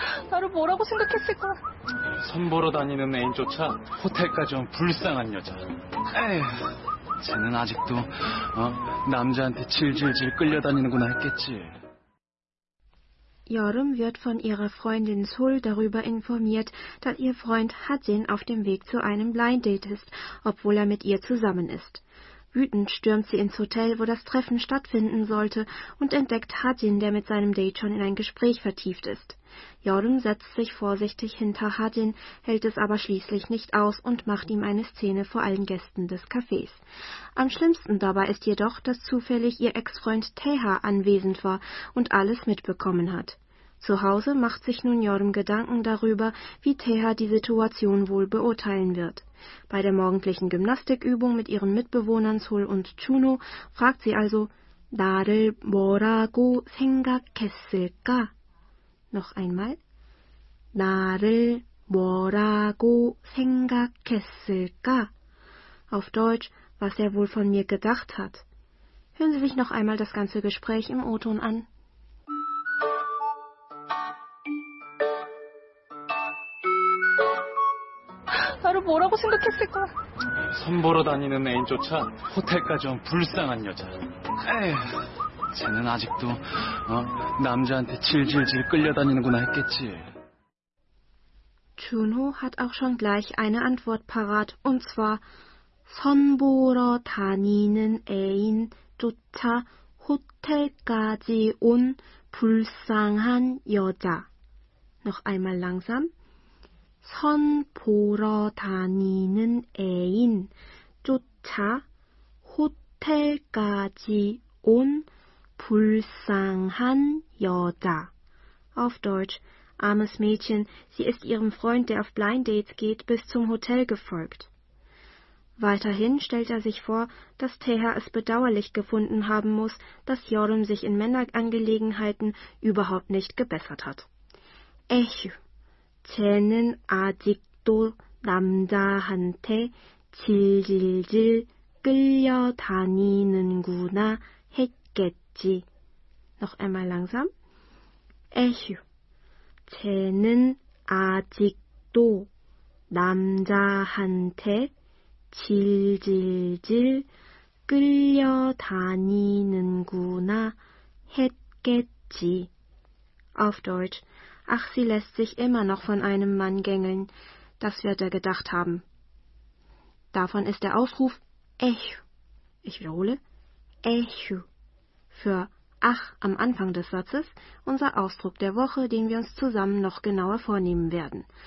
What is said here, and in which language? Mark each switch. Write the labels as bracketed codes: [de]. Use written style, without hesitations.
[ko] 나를 뭐라고 생각했을까? 선보러 다니는 애인조차 호텔까지 온 불쌍한 여자. 에휴, 쟤는 아직도 남자한테 질질질 끌려다니는구나 했겠지. [de] Yoram wird von ihrer Freundin Sol darüber informiert, dass ihr Freund Hajin auf dem Weg zu einem Blind Date ist, obwohl er mit ihr zusammen ist. Wütend stürmt sie ins Hotel, wo das Treffen stattfinden sollte, und entdeckt Hajin, der mit seinem Date schon in ein Gespräch vertieft ist. Yoram setzt sich vorsichtig hinter Hajin, hält es aber schließlich nicht aus und macht ihm eine Szene vor allen Gästen des Cafés. Am schlimmsten dabei ist jedoch, dass zufällig ihr Ex-Freund Taeha anwesend war und alles mitbekommen hat. Zu Hause macht sich nun Yoram Gedanken darüber, wie Taeha die Situation wohl beurteilen wird. Bei der morgendlichen Gymnastikübung mit ihren Mitbewohnern Sol und Chuno fragt sie also: [ko] "나를 뭐라고 생각했을까?" [de] Noch einmal: [ko] "나를 뭐라고 생각했을까?" [de] Auf Deutsch: "Was er wohl von mir gedacht hat." Hören Sie sich noch einmal das ganze Gespräch im O-Ton an. [ko] 나를 뭐라고 생각했을까? 선보러 다니는 애인조차 호텔까지 온 불쌍한 여자. 에휴, 쟤는 아직도 남자한테 질질질 끌려다니는구나 했겠지. [de] Junho hat auch schon gleich eine Antwort parat, und zwar [ko] 선보러 다니는 애인조차 호텔까지 온 불쌍한 여자. [de] Noch einmal langsam. [ko] 선 보러 다니는 애인 쫓아 호텔까지 온 불쌍한 여자. [de] Auf Deutsch: Armes Mädchen, sie ist ihrem Freund, der auf Blind Dates geht, bis zum Hotel gefolgt. Weiterhin stellt er sich vor, dass Taeha es bedauerlich gefunden haben muss, dass Yoram sich in Männerangelegenheiten überhaupt nicht gebessert hat. Echü. [ko] 쟤는 아직도 남자한테 질질질 끌려다니는구나 했겠지. [de] Noch einmal langsam. Echü. [ko] 쟤는 아직도 남자한테 질질질 끌려다니는구나 했겠지. [de] Auf Deutsch. Ach, sie lässt sich immer noch von einem Mann gängeln. Das wird er gedacht haben. Davon ist der Ausruf echü. Ich wiederhole, echü. Für ach am Anfang des Satzes unser Ausdruck der Woche, den wir uns zusammen noch genauer vornehmen werden.